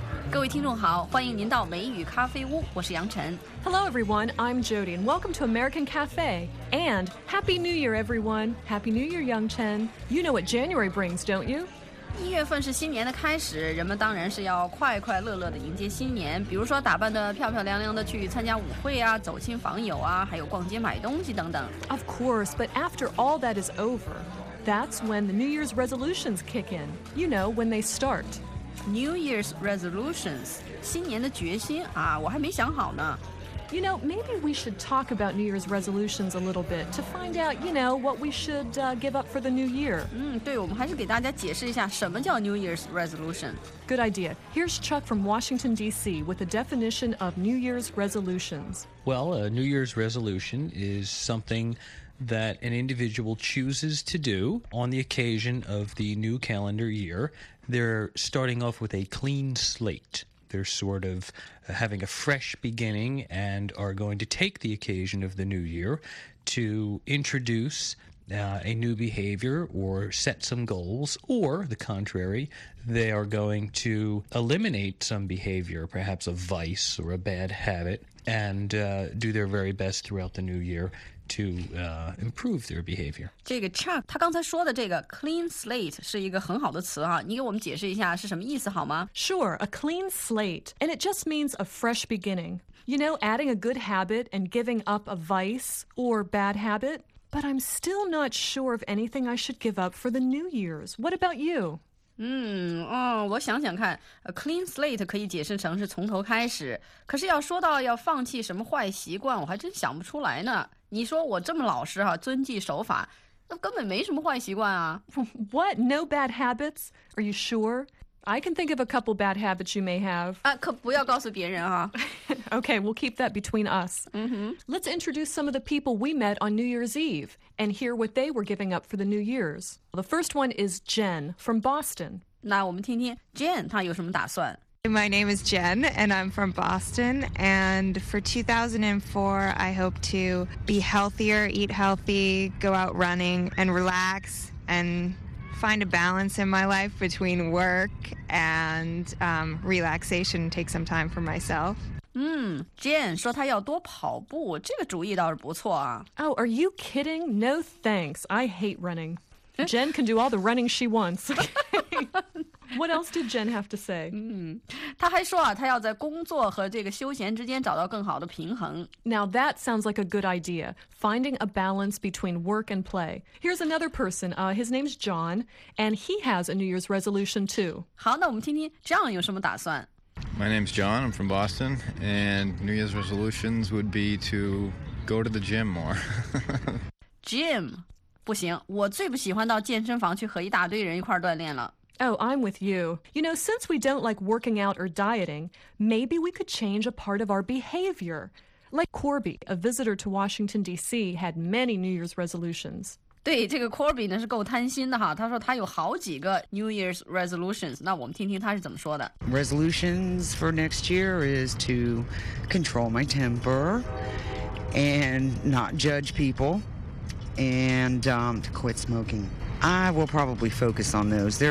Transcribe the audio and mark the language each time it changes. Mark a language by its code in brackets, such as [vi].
[zh] 各位听众好，欢迎您到美语咖啡屋，我是杨晨。 [en] Hello everyone, I'm Jody, and welcome to American Cafe. And Happy New Year, everyone. Happy New Year, Yang Chen. You know what January brings, don't you? [zh] 一月份是新年的开始，人们当然是要快快乐乐的迎接新年，比如说打扮得漂漂亮亮的去参加舞会啊，走亲访友啊，还有逛街买东西等等。 [en] Of course, but after all that is over, that's when the New Year's resolutions kick in. You know, when they start. [zh] New Year's resolutions, 新年的决心啊，我还没想好呢。 [en] You know, maybe we should talk about New Year's resolutions a little bit to find out, you know, what we should, give up for the new year. [zh] 对，我们还是给大家解释一下什么叫 New Year's resolution. [en] Good idea. Here's Chuck from Washington, D.C. with a definition of New Year's resolutions. Well, a New Year's resolution is something that an individual chooses to do on the occasion of the new calendar year. They're starting off with a clean slate. They're sort of having a fresh beginning and are going to take the occasion of the new year to introduce, a new behavior or set some goals, or the contrary, they are going to eliminate some behavior, perhaps a vice or a bad habit, and, do their very best throughout the new year. To, improve their behavior. [zh] 这个 Chuck, 他刚才说的这个 clean slate 是一个很好的词啊，你给我们解释一下是什么意思好吗？ [en] Sure, a clean slate, and it just means a fresh beginning. You know, adding a good habit and giving up a vice or bad habit. But I'm still not sure of anything I should give up for the New Year's. What about you? [zh] 我想想看 ，a clean slate 可以解释成是从头开始。可是要说到要放弃什么坏习惯，我还真想不出来呢。你说我这么老实哈、啊，遵纪守法，那根本没什么坏习惯啊。 [en] What? No bad habits? Are you sure? I can think of a couple bad habits you may have. [zh] 啊，可不要告诉别人啊。 [en] Okay, we'll keep that between us. Let's introduce some of the people we met on New Year's Eve. And hear what they were giving up for the New Year's. The first one is Jen from Boston. [zh] 那我们听听 Jen 她有什么打算 [en] My name is Jen and I'm from Boston. And for 2004, I hope to be healthier, eat healthy, go out running and relax and find a balance in my life between work and, relaxation and take some time for myself. [zh] Jen 说她要多跑步，这个主意倒是不错啊。 [en] Oh, are you kidding? No thanks. I hate running. Jen can do all the running she wants. What else did Jen have to say? [zh] 她还说啊，她要在工作和这个休闲之间找到更好的平衡。 [en] Now that sounds like a good idea. Finding a balance between work and play. Here's another person. His name's John, and he has a New Year's resolution too. [zh] 好，那我们听听 John 有什么打算。 [en] My name's John, I'm from Boston, and New Year's resolutions would be to go to the gym more. Gym? [zh] 不行，我最不喜欢到健身房去和一大堆人一块锻炼了。 [en] Oh, I'm with you. You know, since we don't like working out or dieting, maybe we could change a part of our behavior. Like Corby, a visitor to Washington, D.C., had many New Year's resolutions. [zh] 对这个 Corby 呢是够贪心的哈，他说他有好几个 New Year's resolutions， 那我们听听他是怎么说的。 [en] Resolutions for next year is to control my temper and not judge people and, to quit smoking. I will probably focus on those.